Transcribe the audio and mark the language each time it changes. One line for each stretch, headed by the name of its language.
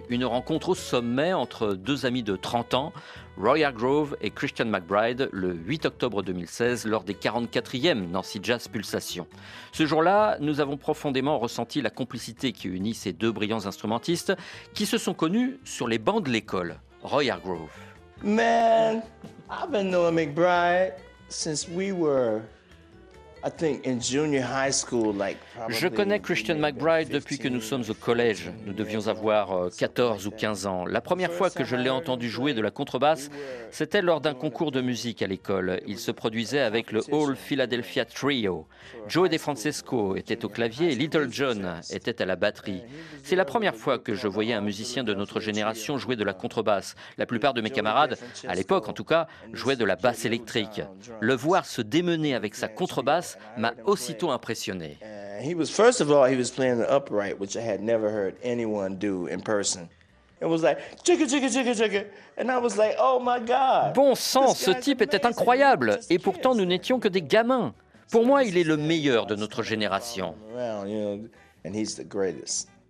French: Une rencontre au sommet entre deux amis de 30 ans, Roy Hargrove et Christian McBride, le 8 octobre 2016, lors des 44e Nancy Jazz Pulsation. Ce jour-là, nous avons profondément ressenti la complicité qui unit ces deux brillants instrumentistes qui se sont connus sur les bancs de l'école. Roy Hargrove.
English: Man, I've been knowing McBride since we were...
French: Je connais Christian McBride depuis que nous sommes au collège. Nous devions avoir 14 ou 15 ans. La première fois que je l'ai entendu jouer de la contrebasse, c'était lors d'un concours de musique à l'école. Il se produisait avec le All Philadelphia Trio. Joe DeFrancesco était au clavier et Little John était à la batterie. C'est la première fois que je voyais un musicien de notre génération jouer de la contrebasse. La plupart de mes camarades, à l'époque en tout cas, jouaient de la basse électrique. Le voir se démener avec sa contrebasse m'a aussitôt impressionné.
English: He was first of all he was playing the upright which I had never heard anyone do in person. It was like chicka chicka chicka chicka and I was like oh my god.
French: Bon sang, ce type était incroyable et pourtant nous n'étions que des gamins. Pour moi, il est le meilleur de notre génération.
English: And he's the greatest.